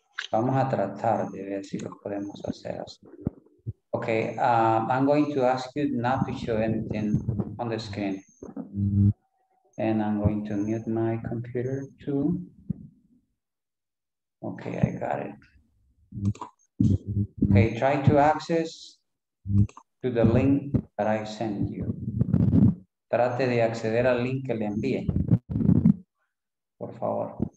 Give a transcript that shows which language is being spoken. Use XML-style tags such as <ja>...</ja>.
<es>Vamos a tratar de ver si lo podemos hacer.</es> <en>Okay. I'm going to ask you not to show anything on the screen. And I'm going to mute my computer too. Okay. I got it. Okay. Try to access to the link that I sent you.</en> <es>Trate de acceder al link que le envíe, por favor.</es>